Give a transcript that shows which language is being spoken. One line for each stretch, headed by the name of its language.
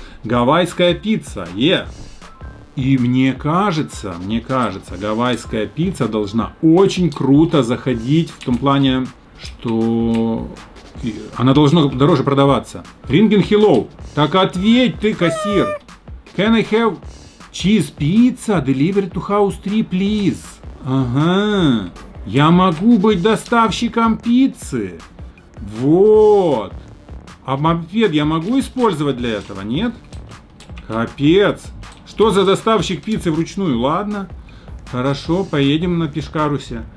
Russian: Гавайская пицца, И мне кажется, гавайская пицца должна очень круто заходить, в том плане, что она должна дороже продаваться.
English: Ringing hello,
Russian: так ответь ты, кассир.
English: Can I have cheese pizza delivered to house 3, please?
Russian: Ага, я могу быть доставщиком пиццы. Вот. А мопед я могу использовать для этого, нет? Капец. Что за доставщик пиццы вручную? Ладно. Хорошо, поедем на Пешкарусе.